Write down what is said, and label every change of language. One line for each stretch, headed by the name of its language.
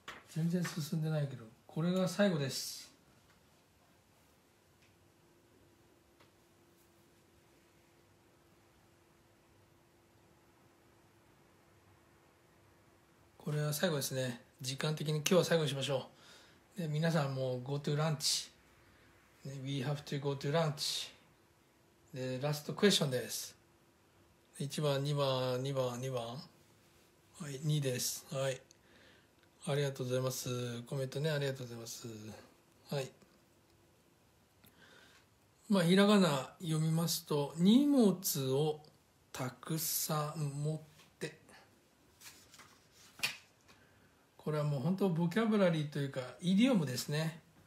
Japanese: 全然進んでないけど、これが最後です。これは最後ですね。時間的に今日は最後にしましょう。で、皆さんも
English: go to lunch。 We have to go to lunch。
Japanese: で、ラストクエスチョンです。1番、2番、2番、2番。はい、2です。はい、ありがとうございます。コメントね、ありがとうございます。はい、まあひらがな読みますと、荷物をたくさん持って、これはもう本当ボキャブラリーというかイディオムですね。